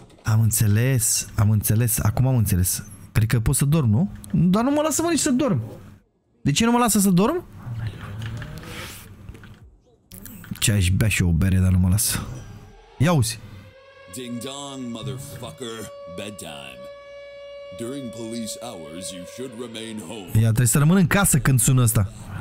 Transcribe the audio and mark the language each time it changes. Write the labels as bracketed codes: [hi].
[ro] Am înțeles. Acum am înțeles. Cred că pot să dorm, nu? Dar nu mă lasă, mă, nici să dorm. De ce nu mă lasă să dorm? Ce, aș bea și o bere, dar nu mă lasă. Ia uzi. [en] Ding dong, motherfucker. Bedtime. During police hours, you should remain home. [ro] Ia, trebuie să rămân în casă când sună asta.